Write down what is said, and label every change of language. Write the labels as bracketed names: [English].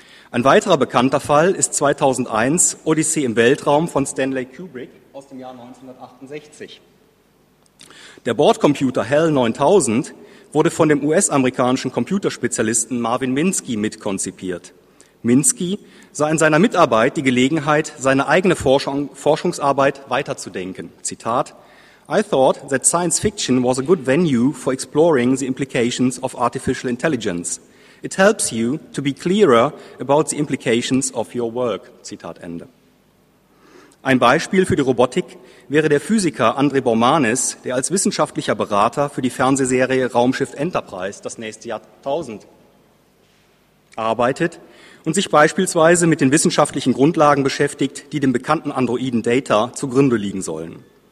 [German] Ein weiterer bekannter Fall ist 2001 Odyssee im Weltraum von Stanley Kubrick aus dem Jahr 1968. Der Bordcomputer HAL 9000 wurde von dem US-amerikanischen Computerspezialisten Marvin Minsky mitkonzipiert. Minsky sah in seiner Mitarbeit die Gelegenheit, seine eigene Forschungsarbeit weiterzudenken. Zitat, [English] I thought that science fiction was a good venue for exploring the implications of artificial intelligence. It helps you to be clearer about the implications of your work. [German] Zitat Ende. Ein Beispiel für die Robotik wäre der Physiker André Bormanis, der als wissenschaftlicher Berater für die Fernsehserie Raumschiff Enterprise das nächste Jahrtausend arbeitet und sich beispielsweise mit den wissenschaftlichen Grundlagen beschäftigt, die dem bekannten Androiden Data zugrunde liegen sollen.